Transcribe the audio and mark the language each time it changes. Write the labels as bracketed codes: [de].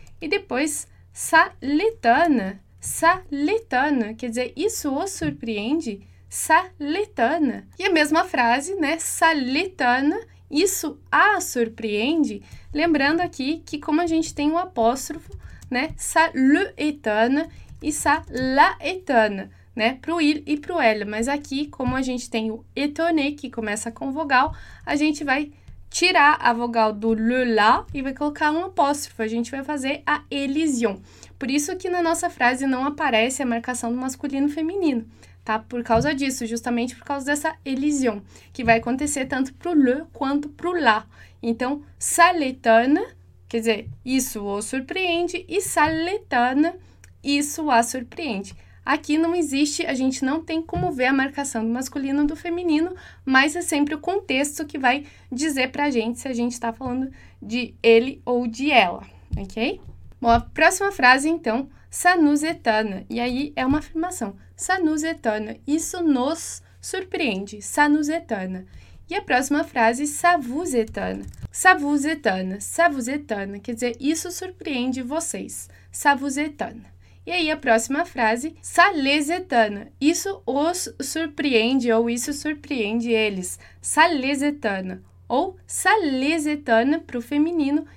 [pt] E depois, [fr] ça l'étonne, [pt] quer dizer, isso o surpreende. [fr] Ça l'étonne. [pt] E a mesma frase, né, [fr] ça l'étonne. [pt] Isso a surpreende, lembrando aqui que como a gente tem o um apóstrofo, né? [fr] Ça le étonne e ça la étonne, né? [pt] Pro il e pro elle. Mas aqui, como a gente tem o étonné, que começa com vogal, a gente vai tirar a vogal do le la e vai colocar um apóstrofo. A gente vai fazer a élision. Por isso que na nossa frase não aparece a marcação do masculino e feminino. Tá? Por causa disso, justamente por causa dessa élision, que vai acontecer tanto pro le quanto pro la. Então, [fr] ça l'étonne, [pt] quer dizer, isso o surpreende, e ça l'étonne, isso a surpreende. Aqui não existe, a gente não tem como ver a marcação do masculino e do feminino, mas é sempre o contexto que vai dizer pra gente se a gente está falando de ele ou de ela, ok? Bom, a próxima frase, então, [fr] ça nous étonne. [pt] E aí é uma afirmação. [fr] Ça nous étonne. [pt] Isso nos surpreende. [fr] Ça nous étonne. [pt] E a próxima frase, [fr] ça vous étonne. Ça vous étonne. Ça vous étonne. [pt] Quer dizer, isso surpreende vocês. [fr] Ça vous étonne. [pt] E aí a próxima frase, [fr] ça les étonne. [pt] Isso os surpreende ou isso surpreende eles. [fr] Ça les étonne. Ou ça les étonne [pt] para o feminino.